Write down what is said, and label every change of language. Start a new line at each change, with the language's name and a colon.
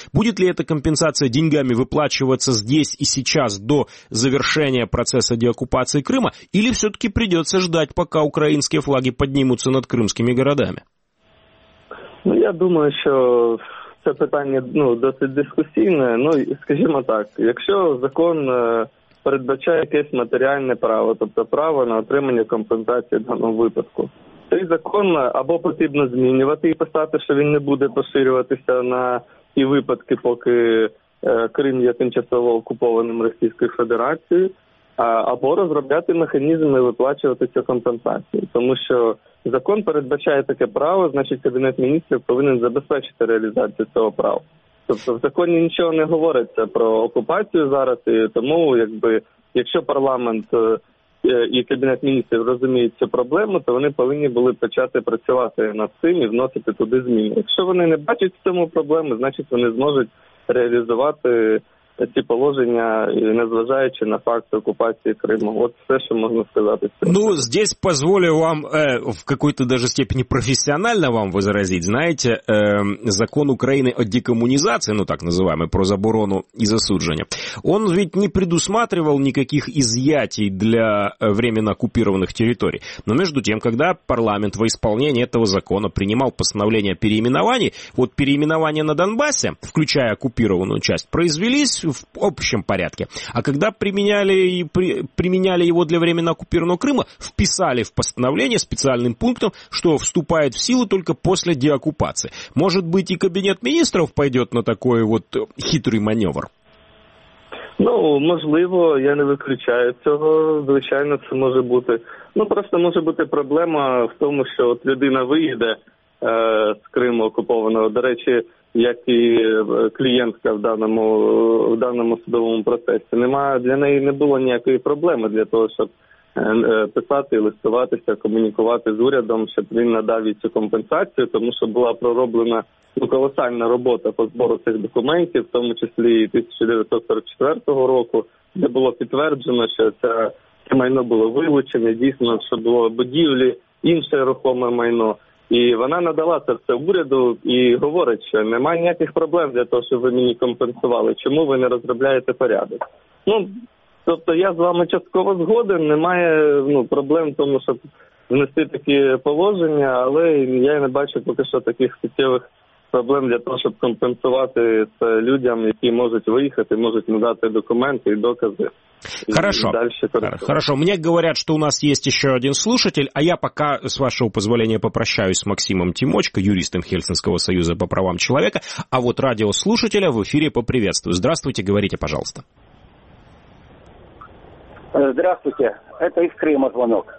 Russian: Будет ли эта компенсация деньгами выплачиваться здесь и сейчас до завершения процесса деоккупации Крыма, или все-таки придется ждать, пока украинские флаги поднимутся над крымскими городами? Ну, я думаю, что это питание, ну, достаточно дискуссийное.
Ukrainian: Ну, скажем так, если закон передбачає якесь матеріальне право, тобто право на отримання компенсації в даному випадку. Цей закон або потрібно змінювати і писати, що він не буде поширюватися на ті випадки, поки Крим є тимчасово окупованим Російською Федерацією, або розробляти механізми виплачувати цю компенсацію. Тому що закон передбачає таке право, значить Кабінет міністрів повинен забезпечити реалізацію цього права. Тобто в законі нічого не говориться про окупацію зараз, і тому, якби, якщо парламент і Кабінет міністрів розуміють цю проблему, то вони повинні були почати працювати над цим і вносити туди зміни. Якщо вони не бачать в цьому проблеми, значить вони зможуть реалізувати ці положення, незважаючи на факти окупації Криму. От все, що можна сказати.
Russian: Ну, здесь позволю вам в какой-то даже степени профессионально вам возразить. Знаете, закон Украины о декоммунизации, ну так называемый,
Ukrainian: про заборону и засудження,
Russian: он ведь не предусматривал никаких изъятий для временно оккупированных территорий. Но между тем, когда парламент во исполнение этого закона принимал постановление о переименовании, вот переименование на Донбассе, включая оккупированную часть, произвелись в общем порядке. А когда применяли его для временно оккупированного Крыма, вписали в постановление специальным пунктом, что вступает в силу только после деоккупации. Может быть, и Кабинет министров пойдет на такой вот хитрый маневр? Ну, возможно, я не выключаю этого.
Ukrainian: Звичайно,
Russian: это может быть. Ну, просто может быть проблема в том, что вот людина выйдет с Крыма оккупованного.
Ukrainian: До речи, як і клієнтка в даному судовому процесі. Немає, для неї не було ніякої проблеми для того, щоб писати, листуватися, комунікувати з урядом, щоб він надав їй цю компенсацію, тому що була пророблена колосальна робота по збору цих документів, в тому числі 1944 року, де було підтверджено, що це майно було вилучене, дійсно, що було будівлі, інше рухоме майно. І вона надала це все уряду і говорить, що немає ніяких проблем для того, щоб ви мені компенсували. Чому ви не розробляєте порядок? Ну, тобто я з вами частково згоден, немає, ну, проблем в тому, щоб внести такі положення, але я не бачу поки що таких суттєвих проблем для того, щоб компенсувати це людям, які можуть виїхати, можуть надати документи і докази.
Russian: Хорошо. Хорошо. Мне говорят, что у нас есть еще один слушатель, а я пока, с вашего позволения, попрощаюсь с Максимом Тимочко, юристом Хельсинского союза по правам человека, а вот радиослушателя в эфире поприветствую. Здравствуйте, говорите, пожалуйста. Здравствуйте, это из Крыма звонок.